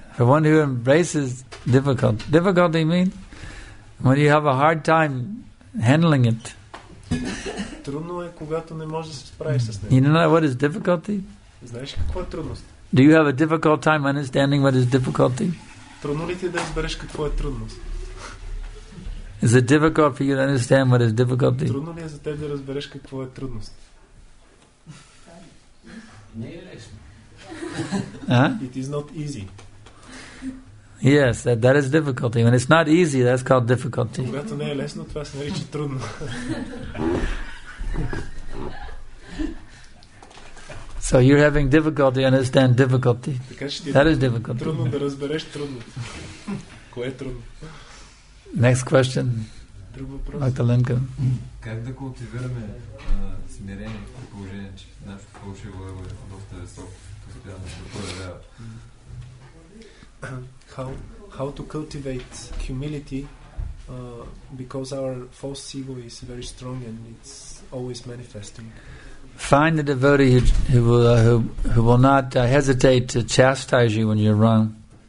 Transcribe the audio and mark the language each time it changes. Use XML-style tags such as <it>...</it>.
<en>For one who embraces difficulty. Difficulty mean when you have a hard time handling it.</en> <bg>Трудно е, когато не можеш да се справиш с него.</bg> <en>You know what is difficulty?</en> <bg>Знаеш какво е трудност?</bg> <en>Do you have a difficult time understanding what is difficulty?</en> <bg>Трудно ли ти да избереш какво е трудност?</bg> <en>Is it difficult for you to understand what is difficulty?</en> <bg>Трудно ли е за теб да разбереш какво е трудност? Не е лесно.</bg> <en>It is not easy. Yes, that is difficulty. When it's not easy, that's called difficulty.</en> <bg>Когато не е лесно, това се нарича трудно.</bg> <en>So you're having difficulty understand difficulty. That is difficult.</en> <bg>Трудно да разбереш трудно. Кое е трудно?</bg> <en>Next question.</en> <bg>Друг въпрос. Магдаленка. Как да култивираме смирение в положение, че нашето фалшиво его е доста висок, постоянно се проявява?</bg> <en>How to cultivate humility because our false ego is very strong and it's always manifesting. Find a devotee who will not hesitate to chastise you when you're wrong.</en>